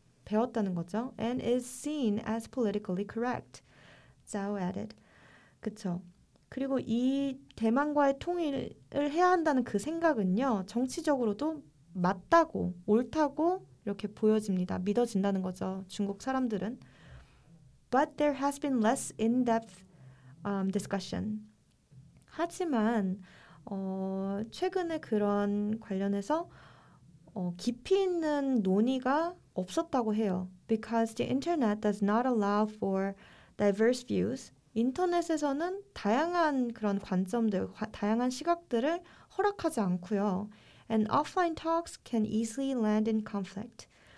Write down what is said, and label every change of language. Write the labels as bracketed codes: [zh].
[ko] 배웠다는 거죠. [en] And is seen as politically correct. Zhao added. [ko] 그쵸. 그리고 이 대만과의 통일을 해야 한다는 그 생각은요, 정치적으로도 맞다고, 옳다고 이렇게 보여집니다. 믿어진다는 거죠. 중국 사람들은. [en] But there has been less in-depth discussion. [ko] 하지만 최근에 그런 관련해서 깊이 있는 논의가 없었다고 해요. [en] Because the internet does not allow for diverse views. [ko] 인터넷에서는 다양한 그런 관점들, 다양한 시각들을 허락하지 않고요. [en] And offline talks can easily land in conflict.